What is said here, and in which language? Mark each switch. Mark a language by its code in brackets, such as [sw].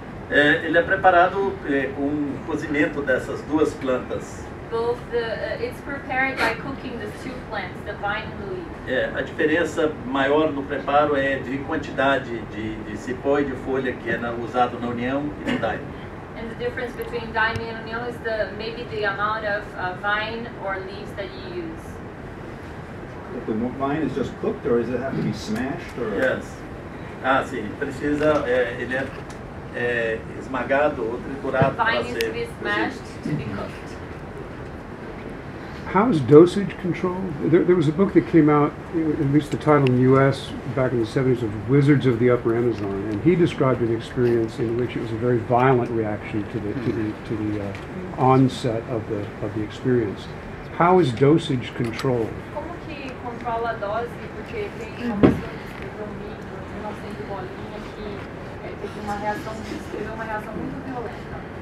[pt] Ele é preparado com um cozimento dessas duas plantas. [en] It's prepared by cooking the two plants, the vine and the leaf. [pt] A diferença maior no preparo é de quantidade de cipó e de folha que é usado na união e no daime. [en] And the difference between daime and union is maybe the amount of vine or leaves that you use. The vine is just cooked, or does it have to be smashed? Or? Yes. [pt] Sim. Precisa. Ele é esmagado ou triturado para ser. [en] The vine needs to be smashed to be cooked. How is dosage control? There was a book that came out, at least the title in the U.S. back in the 70s, of Wizards of the Upper Amazon, and he described an experience in which it was a very violent reaction to the onset of the experience. How is dosage controlled? [pt] Como que controla a dose? Porque tem uma pessoa que escreveu um livro, 1900 bolinhas, que teve uma reação muito violenta.